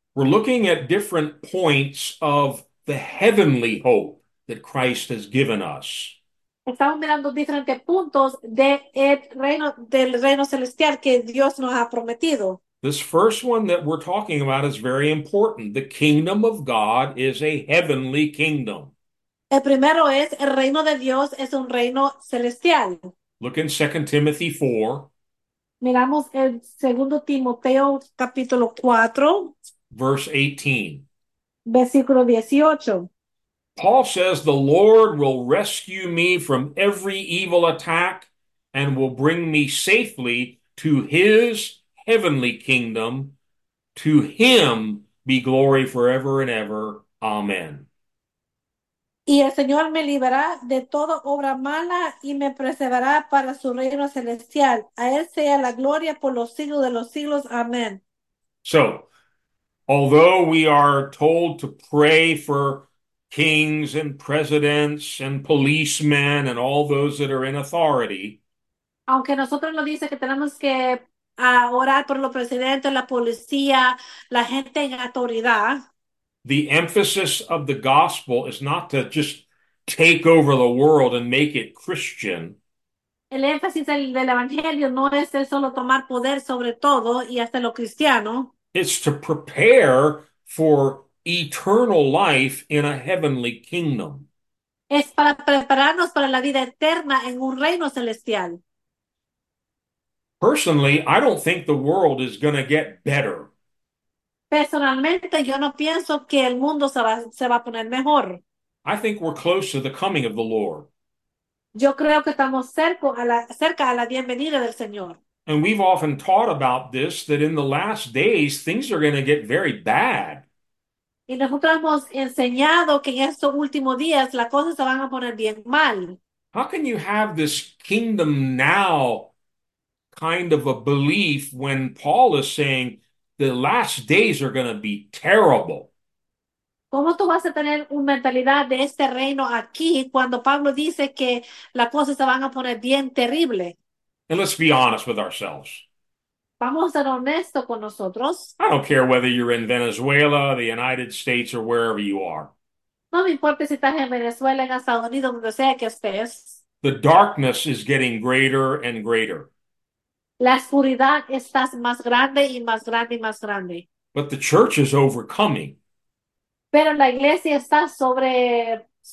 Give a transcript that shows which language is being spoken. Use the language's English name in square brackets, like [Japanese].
[English] We're looking at different points of the heavenly hope that Christ has given us. [Spanish] Estamos mirando diferentes puntos del reino celestial que Dios nos ha prometido. [English] This first one that we're talking about is very important. The kingdom of God is a heavenly kingdom. [Spanish] El primero es el reino de Dios es un reino celestial. [English] Look in 2 Timothy 4, [Spanish] Miramos el segundo Timoteo capítulo 4, [English] verse 18. [Spanish] versículo 18. [English] Paul says, "The Lord will rescue me from every evil attack and will bring me safely to his heavenly kingdom. To him be glory forever and ever. Amen." [Spanish] Y el Señor me liberará de toda obra mala y me preservará para su reino celestial. A Él sea la gloria por los siglos de los siglos. Amén. [English] So, although we are told to pray for kings and presidents and policemen and all those that are in authority, [Spanish] Aunque nosotros nos dice que tenemos que orar por los presidentes, la policía, la gente en autoridad. [English] the emphasis of the gospel is not to just take over the world and make it Christian. [Spanish] El énfasis del Evangelio no es el solo tomar poder sobre todo y hacerlo cristiano. [English] It's to prepare for eternal life in a heavenly kingdom. [Spanish] Es para prepararnos para la vida eterna en un reino celestial. [English] Personally, I don't think the world is going to get better. [Spanish] Personalmente, yo no pienso que el mundo se va a poner mejor. [English] I think we're close to the coming of the Lord. [Spanish] Yo creo que estamos cerca a la bienvenida del Señor. [English] And we've often taught about this, that in the last days, things are going to get very bad. [Spanish] Y nosotros hemos enseñado que en estos últimos días las cosas se van a poner bien mal. [English] How can you have this kingdom now kind of a belief when Paul is saying the last days are going to be terrible? [Spanish] ¿Cómo tú vas a tener una mentalidad de este reino aquí cuando Pablo dice que las cosas se van a poner bien terrible? [English] And let's be honest with ourselves. [Spanish] Vamos a ser honestos con nosotros. [English] I don't care whether you're in Venezuela, the United States, or wherever you are. [Spanish] No me importa si estás en Venezuela, en Estados Unidos, donde sea que estés. [English] The darkness is getting greater and greater. [Spanish] La oscuridad está más grande y más grande y más grande. [English] But the church is overcoming. [Spanish] Pero la iglesia está sobre